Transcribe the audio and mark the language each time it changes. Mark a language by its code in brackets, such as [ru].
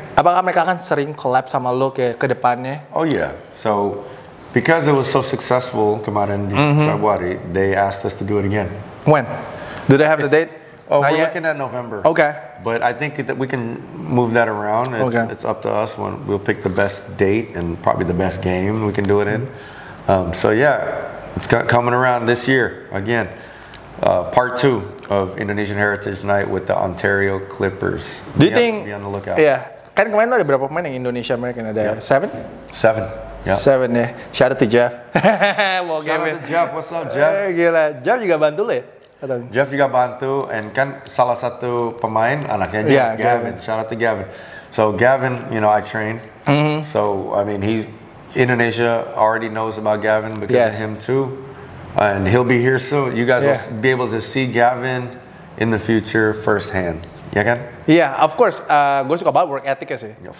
[id] Apakah mereka akan sering collab sama lo ke depannya? [en] Oh yeah. So. Because it was so successful [id] kemarin di Februari, [en] they asked us to do it again. When? Do they have the date? Oh, we're looking at November. Okay. But I think that we can move that around. It's, okay. It's up to us. When we'll pick the best date and probably the best game we can do it in. So yeah, it's coming around this year again. Part two of Indonesian Heritage Night with the Ontario Clippers. Do you think? Be on the lookout. Yeah. [id] Kan kemarin ada berapa pemain yang Indonesia American ada? [en] Yeah. Seven. Yep. Seven ya, shout out to Jeff. Shout out to Jeff, what's up Jeff? [id] Gila, Jeff juga bantu lo ya? Jeff juga bantu, and kan salah satu pemain anaknya Jeff, [en] yeah, Gavin. Shout out to Gavin. So Gavin, you know, I train. So, I mean, he's Indonesia already knows about Gavin because of him too. And he'll be here soon. You guys will be able to see Gavin in the future firsthand. [id] Ya kan? Iya, [en] yeah, of course. [id] Gue suka banget work ethic sih.